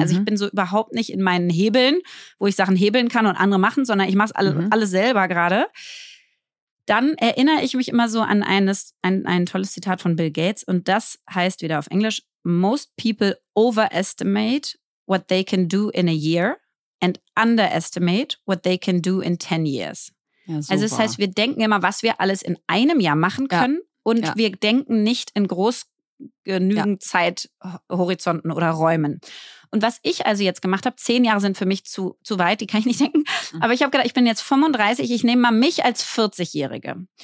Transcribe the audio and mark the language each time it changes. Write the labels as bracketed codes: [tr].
[de] Also ich bin so überhaupt nicht in meinen Hebeln, wo ich Sachen hebeln kann und andere machen, sondern ich mache es alles selber gerade. Dann erinnere ich mich immer so an ein tolles Zitat von Bill Gates und das heißt wieder auf Englisch: [en] Most people overestimate what they can do in a year. And underestimate what they can do in 10 years. [de] Ja, also das heißt, wir denken immer, was wir alles in einem Jahr machen können. Ja. Und wir denken nicht in groß genügend Zeithorizonten oder Räumen. Und was ich also jetzt gemacht habe, 10 Jahre sind für mich zu weit, die kann ich nicht denken. Aber ich habe gedacht, ich bin jetzt 35, ich nehme mal mich als 40-Jährige.